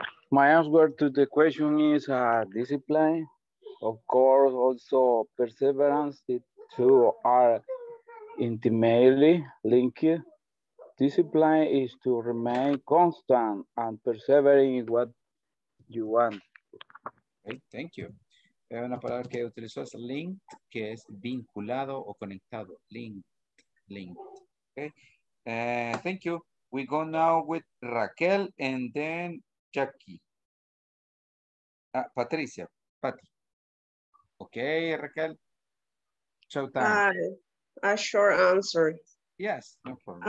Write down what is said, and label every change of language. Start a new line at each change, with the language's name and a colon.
English: My answer to the question is discipline. Of course, also perseverance, the two are intimately linked. Discipline is to remain constant, and persevering is what you want. Okay, thank you.
Spanish: Una palabra que utilizó es linked, que es vinculado o conectado.
English: Linked. Okay. Thank you. We go now with Raquel and then Jackie. Patricia, Patty. Okay, Raquel. Showtime. A short answer. Yes, no problem.